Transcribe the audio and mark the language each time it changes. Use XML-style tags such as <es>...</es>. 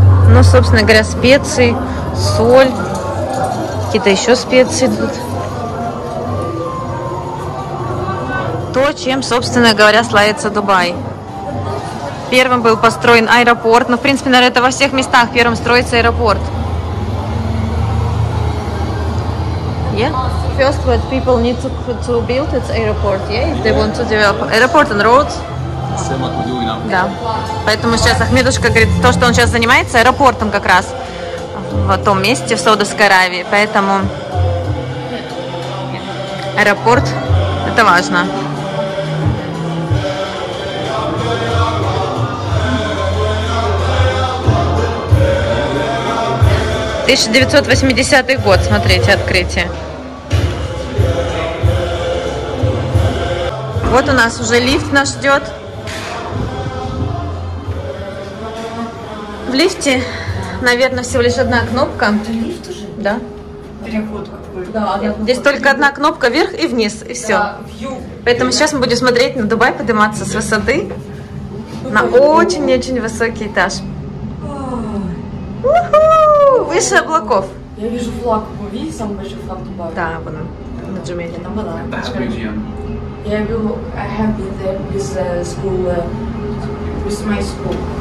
<ru>Ну, собственно говоря, специи, соль, какие-то еще специи тут. То, чем, собственно говоря, славится Дубай. Первым был построен аэропорт. Ну, в принципе, наверное, это во всех местах первым строится аэропорт.</ru> <en>Yeah? First, what people need to build, it's airport, yeah? If they want to develop airport and roads.</en> <ru>Да. Поэтому сейчас Ахмедушка говорит, то, что он сейчас занимается аэропортом как раз в том месте, в Саудовской Аравии. Поэтому аэропорт – это важно. Тысяча девятьсот восьмидесятый год, смотрите, открытие. Вот у нас уже лифт нас ждет. В лифте, наверное, всего лишь одна кнопка. Это лифт уже? Да. Переход какой-то. Да, здесь только одна кнопка вверх и вниз, и все. Да, поэтому сейчас мы будем смотреть на Дубай, подниматься с высоты на очень-очень высокий этаж. Выше облаков. Я вижу флаг. Вы видите самый большой флаг Дубая? Да, вон он. На Джумейле. Там была.</ru> <en>That's crazy. Yeah, I have been there with school, with my school.</en>